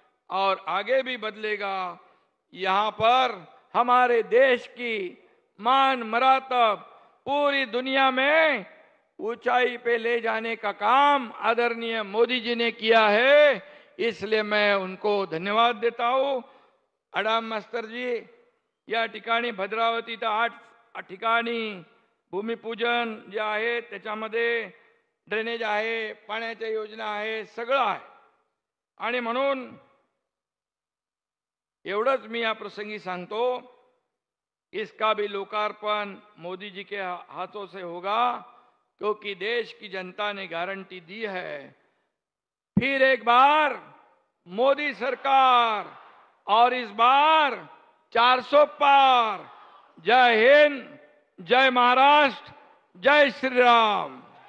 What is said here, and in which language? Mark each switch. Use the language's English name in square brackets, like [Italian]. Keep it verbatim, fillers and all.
[Hindi] और आगे भी बदलेगा। यहाँ पर हमारे देश की मान मरातब पूरी दुनिया में ऊंचाई पे ले जाने का काम आदरणीय मोदी जी ने किया है, इसलिए मैं उनको धन्यवाद देता हूँ। [Marathi] अडाम मास्तर जी या ठिकाणी भद्रावती आठ ठिकाणी भूमिपूजन जे आहे त्याच्यामध्ये ड्रेनेज आहे, पाण्याच्या योजना आहे, सगळं आहे। आणि म्हणून एवढंच मी या प्रसंगी सांगतो, [Hindi] इसका भी लोकार्पण मोदी जी के हाथों से होगा, क्योंकि देश की जनता ने गारंटी दी है। फिर एक बार मोदी सरकार और इस बार चार सौ पार। जय हिंद, जय महाराष्ट्र, जय श्री राम।